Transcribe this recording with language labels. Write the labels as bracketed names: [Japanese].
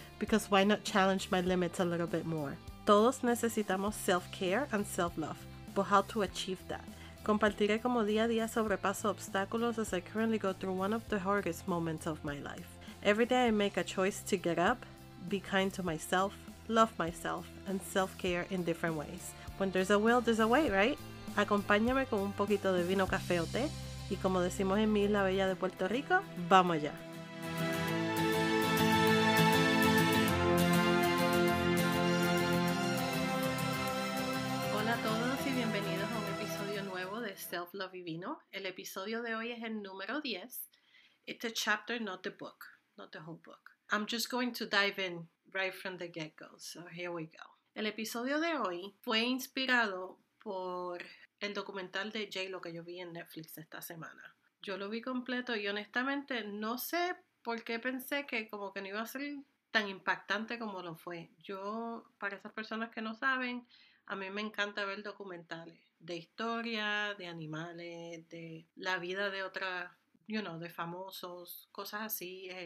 [English] Because why not challenge my limits a little bit more? [Spanish] Todos necesitamos [English] self-care and self-love, but how to achieve that? [Spanish] Compartiré como día a día sobrepaso obstáculos [English] as I currently go through one of the hardest moments of my life. Every day I make a choice to get up, be kind to myself, love myself, and self-care in different ways. When there's a will, there's a way, right? [Spanish] Acompáñame con un poquito de vino, café o té. Y como decimos en mi isla bella de Puerto Rico, ¡vamos allá! Hola a todos y bienvenidos a un episodio nuevo de Self Love y Vino. El episodio de hoy es el número 10. [English] It's a chapter, not the book, not the whole book. I'm just going to dive in right from the get-go, so here we go. [Spanish] El episodio de hoy fue inspirado por el documental de J-Lo que yo vi en Netflix esta semana. Yo lo vi completo y honestamente no sé por qué pensé que como que no iba a ser tan impactante como lo fue. Yo, para esas personas que no saben, a mí me encanta ver documentales de historia, de animales, de la vida de otras, [English] you know, [Spanish] de famosos, cosas así.